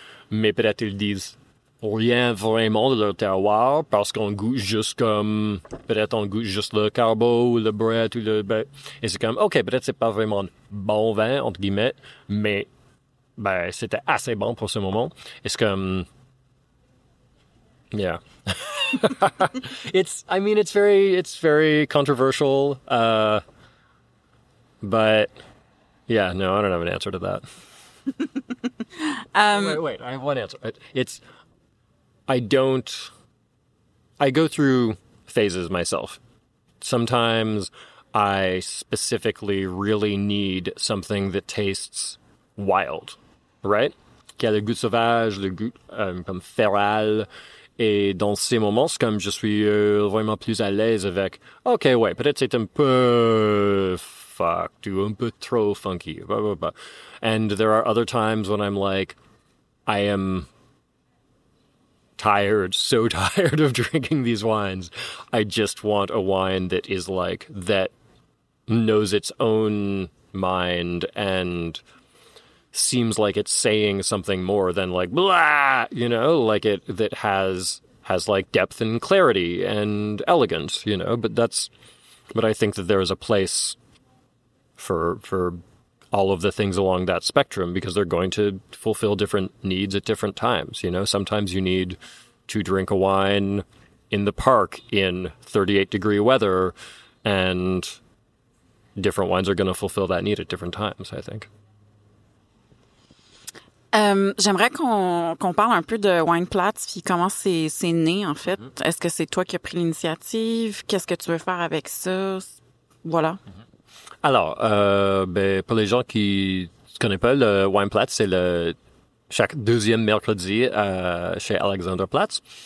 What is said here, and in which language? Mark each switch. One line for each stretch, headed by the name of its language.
French: Mais peut-être ils disent rien vraiment de leur terroir parce qu'on goûte juste comme... Peut-être on goûte juste le carbo ou le bret ou le... Et c'est comme, OK, peut-être c'est pas vraiment bon vin, entre guillemets, mais ben, c'était assez bon pour ce moment. Et c'est comme... Yeah.
English: it's very controversial, but... Yeah, no, I don't have an answer to that. I have one answer. I go through phases myself. Sometimes I specifically really need something that tastes wild, right?
French: Qui a le goût sauvage, le goût comme feral. Et dans ces moments, comme je suis vraiment plus à l'aise avec, OK, ouais, peut-être c'est un peu... fuck, do un peu trop funky, blah, blah, blah.
English: And there are other times when I'm like, I am tired, so tired of drinking these wines. I just want a wine that is like, that knows its own mind and seems like it's saying something more than like blah, you know, like it that has like depth and clarity and elegance, you know. But I think that there is a place for all of the things along that spectrum, because they're going to fulfill different needs at different times. You know, sometimes you need to drink a wine in the park in 38 degree weather, and different wines are going to fulfill that need at different times, I think.
French: J'aimerais qu'on parle un peu de Wineplatz, puis comment c'est né, en fait. Mm-hmm. Est-ce que c'est toi qui as pris l'initiative? Qu'est-ce que tu veux faire avec ça? Voilà. Mm-hmm. Alors, pour les gens qui ne connaissent pas, le Wineplatz, c'est le chaque deuxième mercredi chez Alexander Platz.